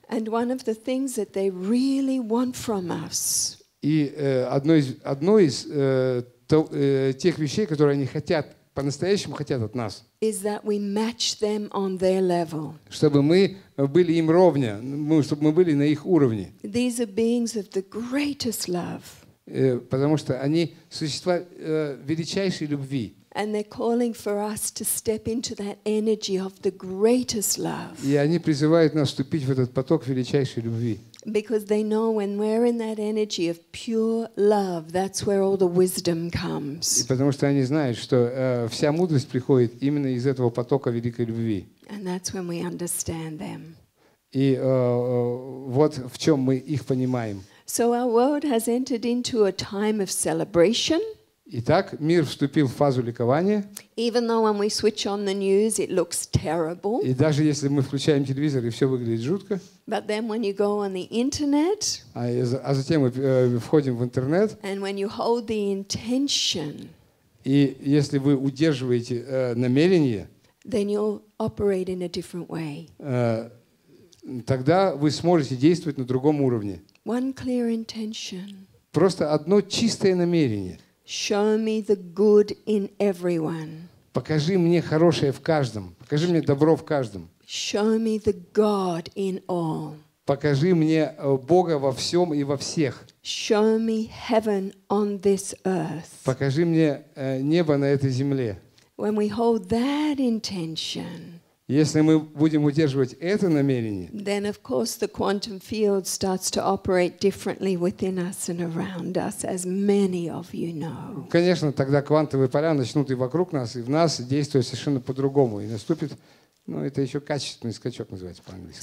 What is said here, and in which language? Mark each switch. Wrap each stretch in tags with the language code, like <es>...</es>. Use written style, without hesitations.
<en>And one of the things that they really want from us.</en> <ru>И одно из тех вещей, которые они хотят, по-настоящему хотят от нас.</ru> <en>Is that we match them on their level.</en> <ru>Чтобы мы были им ровня, чтобы мы были на их уровне.</ru> <en>These are beings of the greatest love.</en> <ru>Потому что они существа величайшей любви.</ru> <en>And they're calling for us to step into that energy of the greatest love.</en> <ru>И они призывают нас вступить в этот поток величайшей любви.</ru> <en>Because they know when we're in that energy of pure love, that's where all the wisdom comes.</en> <ru>И потому что они знают, что вся мудрость приходит именно из этого потока великой любви.</ru> <en>And that's when we understand them.</en> <ru>И вот в чем мы их понимаем.</ru> <en>So our world has entered into a time of celebration.</en> <ru>Итак, мир вступил в фазу ликования.</ru> <en>Even though when we switch on the news, it looks terrible.</en> <ru>И даже если мы включаем телевизор, и все выглядит жутко.</ru> <en>But then when you go on the internet.</en> <ru>А затем мы входим в интернет.</ru> <en>And when you hold the intention.</en> <ru>И если вы удерживаете намерение.</ru> <en>Then you'll operate in a different way.</en> <ru>Тогда вы сможете действовать на другом уровне.</ru> <en>One clear intention.</en> <ru>Просто одно чистое намерение.</ru> <en>Show me the good in everyone.</en> <ru>Покажи мне хорошее в каждом. Покажи мне добро в каждом.</ru> <en>Show me the God in all.</en> <ru>Покажи мне Бога во всем и во всех.</ru> <en>Show me heaven on this earth.</en> <ru>Покажи мне небо на этой земле.</ru> <en>When we hold that intention.</en> <ru>Если мы будем удерживать это намерение,</ru> <en>then of course the quantum field starts to operate differently within us and around us, as many of you know.</en> <ru>Конечно, тогда квантовые поля начнут и вокруг нас, и в нас действовать совершенно по-другому, и наступит, ну, это еще качественный скачок называется по-английски.</ru>